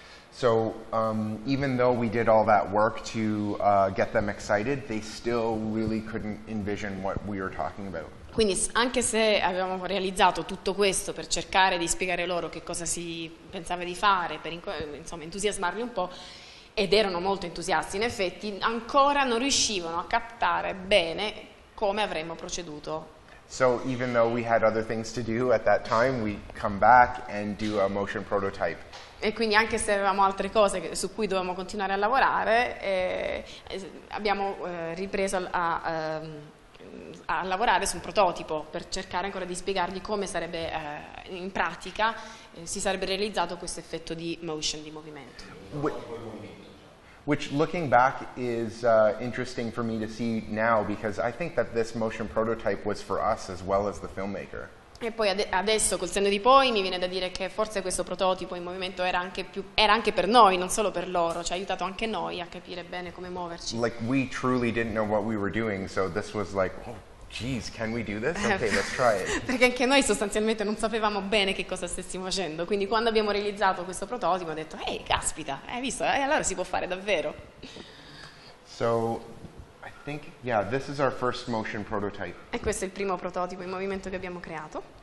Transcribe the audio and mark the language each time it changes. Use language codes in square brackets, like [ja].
[en] So even though we did all that work to get them excited, they still really couldn't envision what we were talking about. [it] Quindi anche se avevamo realizzato tutto questo per cercare di spiegare loro che cosa si pensava di fare, per insomma entusiasmarli un po', ed erano molto entusiasti in effetti, ancora non riuscivano a captare bene come avremmo proceduto. [en] So even though we had other things to do at that time, we come back and do a motion prototype. [it] E quindi anche se avevamo altre cose su cui dovevamo continuare a lavorare, abbiamo ripreso a lavorare su un prototipo per cercare ancora di spiegargli come sarebbe in pratica si sarebbe realizzato questo effetto di motion, di movimento. [en] Which looking back is interesting for me to see now because I think that this motion prototype was for us as well as the filmmaker. [it] E poi adesso col senno di poi mi viene da dire che forse questo prototipo in movimento era anche per noi, non solo per loro, ci ha aiutato anche noi a capire bene come muoverci. [en] Like we truly didn't know what we were doing, so this was like, oh geez, can we do this? Okay, let's try it. [it] Perché anche noi sostanzialmente non sapevamo bene che cosa stessimo facendo, quindi quando abbiamo realizzato questo prototipo ho detto, ehi, caspita, hai visto? E allora si può fare davvero. [en] So I think, yeah, this is our first motion prototype. [it] E questo è il primo prototipo in movimento che abbiamo creato.